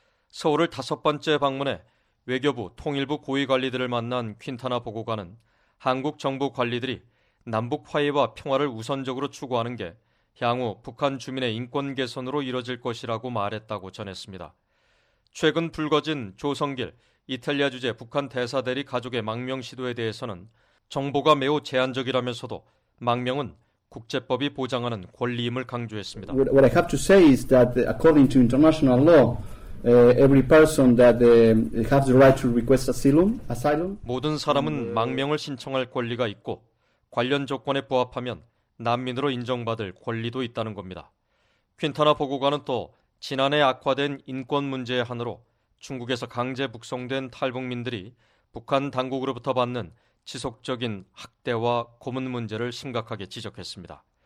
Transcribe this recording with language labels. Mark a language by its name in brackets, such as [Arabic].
[Korean] 서울을 다섯 번째 방문해 외교부 통일부 고위 관리들을 만난 퀸타나 보고관은 한국 정부 관리들이 남북 화해와 평화를 우선적으로 추구하는 게 향후 북한 주민의 인권 개선으로 이뤄질 것이라고 말했다고 전했습니다. 최근 불거진 조성길 이탈리아 주재 북한 대사 대리 가족의 망명 시도에 대해서는 정보가 매우 제한적이라면서도 망명은 국제법이 보장하는 권리임을 강조했습니다. [English] What I have to say is that according to international law, every person that has the right to request asylum. [Korean] 모든 사람은 망명을 신청할 권리가 있고 관련 조건에 부합하면 난민으로 인정받을 권리도 있다는 겁니다. 퀸타나 보고관은 또 지난해 악화된 인권 문제의 한으로 중국에서 강제 북송된 탈북민들이 북한 당국으로부터 받는 지속적인 학대와 고문 문제를 심각하게 지적했습니다.